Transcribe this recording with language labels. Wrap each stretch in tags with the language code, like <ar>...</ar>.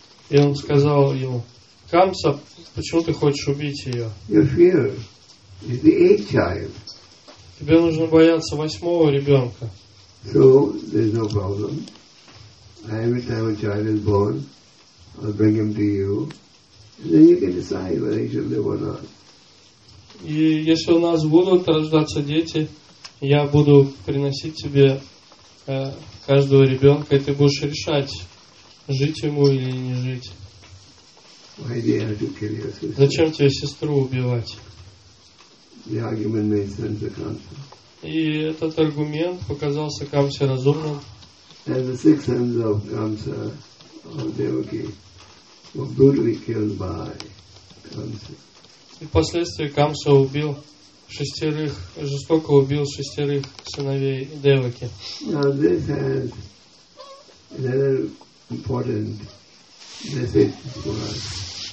<ru>И он сказал ему: Камса, почему ты хочешь убить ее?</ru> <en>Your fear is the eighth child.</en> <ru>Тебе нужно бояться восьмого ребенка.</ru> <en>So there's no problem. Every time a child is born, I'll bring him to you, and then you can decide whether he should live or not.</en> <ru>И если у нас будут рождаться дети, я буду приносить тебе каждого ребенка, и ты будешь решать, жить ему или не жить.</ru> <en>Why do you have to kill your sister?</en> <ru>Зачем тебе сестру убивать?</ru> <en>The argument made sense to Kamsa.</en> <ru>И этот аргумент показался Камсе разумным.</ru> <en>And the six sons of Kamsa, of Devaki, were brutally killed by Kamsa.</en> <ru>И впоследствии Камса убил шестерых, жестоко убил шестерых сыновей Деваки.</ru> <en>Now this has another important message for us.</en>